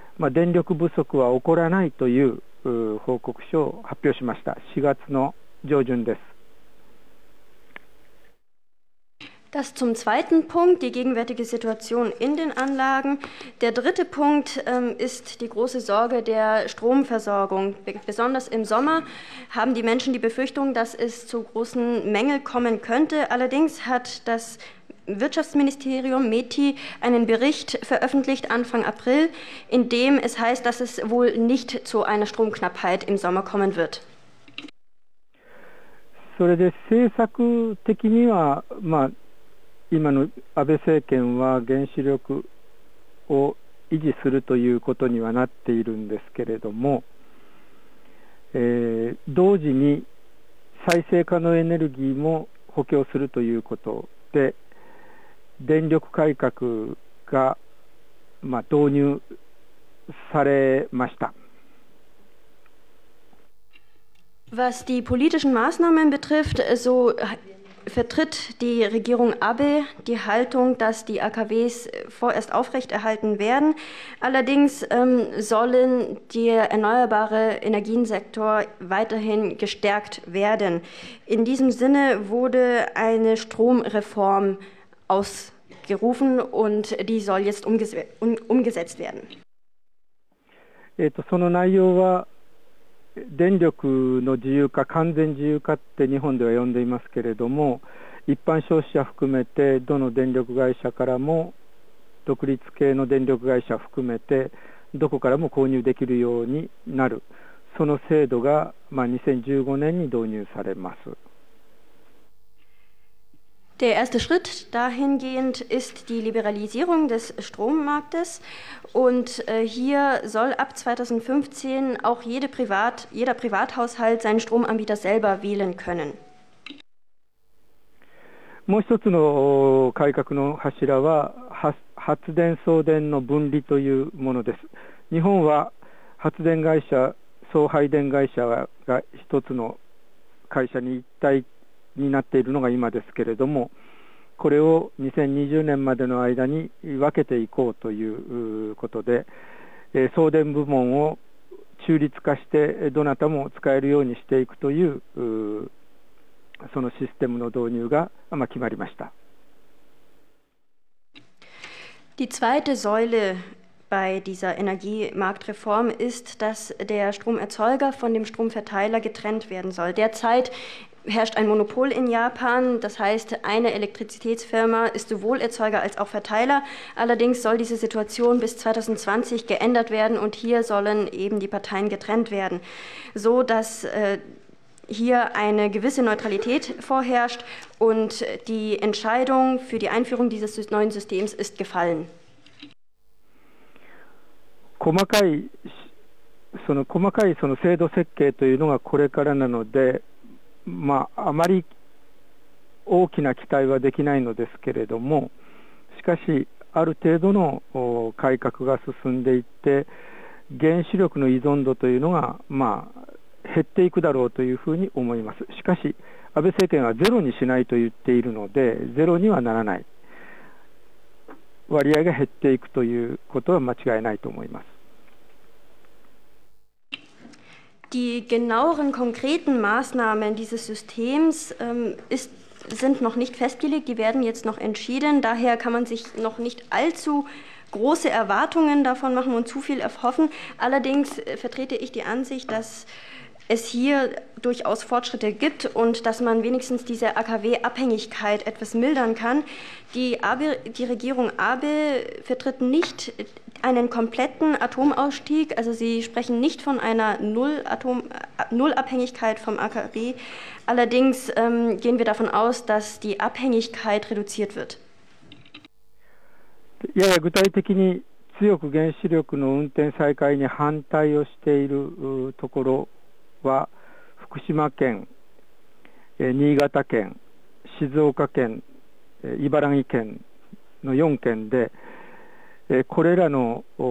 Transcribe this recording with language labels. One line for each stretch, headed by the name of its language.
Japanese: それが2点目の今施設の中での今の様つです。3つ目としては電力需給の話をしたいと思うのですが、この夏暑い時期が来た時に電気が足りるか足りないか。これについては経済産業省が報告書を出して、電力不足は起こらないという 報告書を発表しました。4月の上旬です。
German: Das zum zweiten Punkt, die gegenwärtige Situation in den Anlagen. Der dritte Punkt ist die große Sorge der Stromversorgung. Besonders im Sommer haben die Menschen die Befürchtung, dass es zu großen Mängeln kommen könnte. Allerdings hat das Wirtschaftsministerium, METI, einen Bericht veröffentlicht Anfang April, in dem es heißt, dass es wohl nicht zu einer Stromknappheit im Sommer kommen wird.
Japanese: それで政策的には、まあ、今の安倍政権は原子力を維持するということにはなっているんですけれども、同時に再生可能エネルギーも補強するということで電力改革が、まあ、導入されました。
German: Was die politischen Maßnahmen betrifft, so vertritt die Regierung Abe die Haltung, dass die AKWs vorerst aufrechterhalten werden. Allerdings sollen der erneuerbare Energiensektor weiterhin gestärkt werden. In diesem Sinne wurde eine Stromreform ausgerufen und die soll jetzt umgesetzt werden.
Japanese: その内容は電力の自由化、完全自由化って日本では呼んでいますけれども、一般消費者含めてどの電力会社からも独立系の電力会社含めてどこからも購入できるようになる。その制度が、まあ、2015年に導入されます。
German: Der erste Schritt dahingehend ist die Liberalisierung des Strommarktes und hier soll ab 2015 auch jeder Privathaushalt seinen Stromanbieter selber wählen können.
Japanese: もう一つの改革の柱は発電送電の分離というものです。日本は発電会社、送配電会社が一つの会社に一体になっているのが今ですけれども、これを2020年までの間に分けていこうということで、送電部門を中立化してどなたも使えるようにしていくというそのシステムの導入が決まりました。
German: Die zweite Säule bei dieser Energiemarktreform ist, dass der Stromerzeuger von dem Stromverteiler getrennt werden soll. Derzeit herrscht ein Monopol in Japan, das heißt, eine Elektrizitätsfirma ist sowohl Erzeuger als auch Verteiler. Allerdings soll diese Situation bis 2020 geändert werden und hier sollen eben die Parteien getrennt werden, so dass hier eine gewisse Neutralität vorherrscht und die Entscheidung für die Einführung dieses neuen Systems ist gefallen.
Japanese: 細かいその制度設計というのがこれからなので、まあ、あまり大きな期待はできないのですけれどもしかしある程度の改革が進んでいって原子力の依存度というのが、まあ、減っていくだろうというふうに思いますしかし安倍政権はゼロにしないと言っているのでゼロにはならない割合が減っていくということは間違いないと思います。
German: Die genaueren konkreten Maßnahmen dieses Systems sind noch nicht festgelegt, die werden jetzt noch entschieden. Daher kann man sich noch nicht allzu große Erwartungen davon machen und zu viel erhoffen. Allerdings vertrete ich die Ansicht, dass es hier durchaus Fortschritte gibt und dass man wenigstens diese AKW-Abhängigkeit etwas mildern kann. Die Regierung Abe vertritt nicht einen kompletten Atomausstieg, also sie sprechen nicht von einer Nullabhängigkeit vom AKW. Allerdings gehen wir davon aus, dass die Abhängigkeit reduziert wird. Ja, ja,
Japanese: 具体的に強く原子力の運転再開に反対をしているところは福島県、新潟県、静岡県、茨城県の4県で、これらの